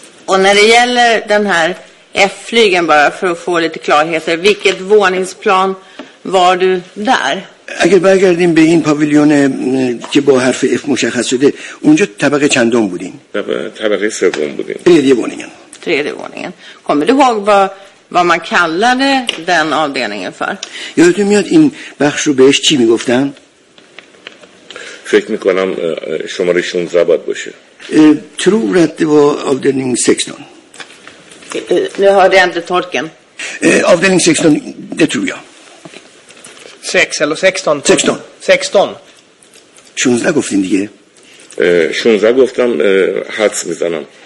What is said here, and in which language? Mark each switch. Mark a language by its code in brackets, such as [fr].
[sv] Och när det gäller den här F-flygen, bara för att få lite klarheter, vilket våningsplan var du där? [fa] اگر برگردیم به این پاویلیون که با حرف F مشخص شده، اونجا طبقه چندم بودین؟ طبقه سوم بودیم. [sv] تریه ورنینگن. تریه ورنینگن. Kommer du ihåg vad man kallade den avdelningen för? [fa] یادت میاد این بخش رو بهش چی میگفتن؟ فکر میکنم شماره 16 باید باشه. [sv] Tror att det var avdelning 16. Nu hörde jag inte tolken. Avdelning 16, det tror jag. 6 eller 16? 16. 16. [fa] 16 گفتین دیگه. 16 گفتم حدس میزنم.